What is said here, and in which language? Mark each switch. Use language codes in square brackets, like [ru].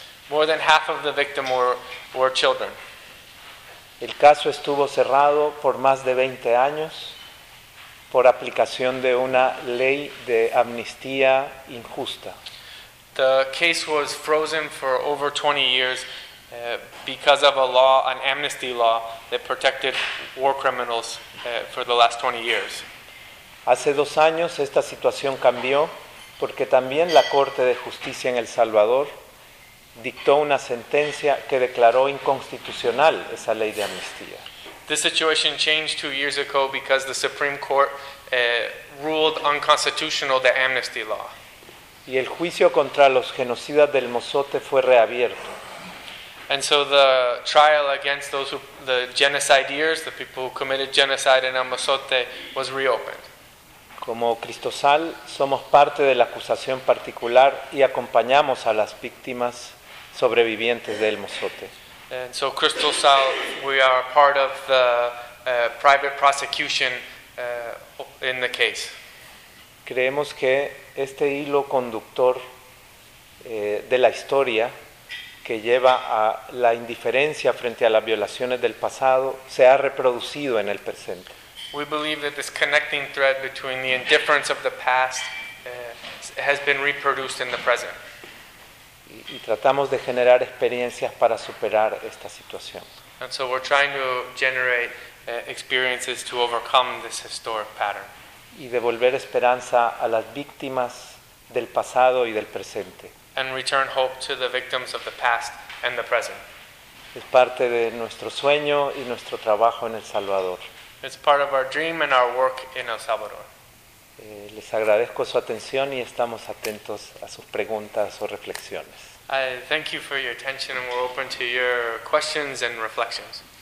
[en] More than half of the victims were children. [es] El caso estuvo cerrado por más de 20 años por aplicación de una ley de amnistía injusta. [en] The case was frozen for over 20 years because of a law, an amnesty law, that protected war criminals for the last 20 years. [es] Hace dos años esta situación cambió porque también la Corte de Justicia en El Salvador dictó una sentencia que declaró inconstitucional esa ley de amnistía. [en] This situation changed 2 years ago because the Supreme Court ruled unconstitutional the amnesty law. [es] Y el juicio contra los genocidas del Mozote fue reabierto. [en] And so the trial against those who, the genocidiers, the people who committed genocide in El Mozote, was reopened. [es] Como Cristosal, somos parte de la acusación particular y acompañamos a las víctimas sobrevivientes del Mozote. [en] And so Crystal Sal, we are part of the private prosecution in the case. [es] Creemos que este hilo conductor de la historia que lleva a la indiferencia frente a las violaciones del pasado se ha reproducido en el presente. [en] We believe that this connecting thread between the indifference of the past has been reproduced in the present. [es] Y tratamos de generar experiencias para superar esta situación. [en] And so we're trying to generate experiences to overcome this historic pattern. [es] Y devolver esperanza a las víctimas del pasado y del presente. [en] And return hope to the victims of the past and the present. [es] Es parte de nuestro sueño y nuestro trabajo en El Salvador. [en] It's part of our dream and our work in El Salvador. [es] Les agradezco su atención y estamos atentos a sus preguntas o reflexiones. [en] I thank you for your attention and we're open to your questions and reflections.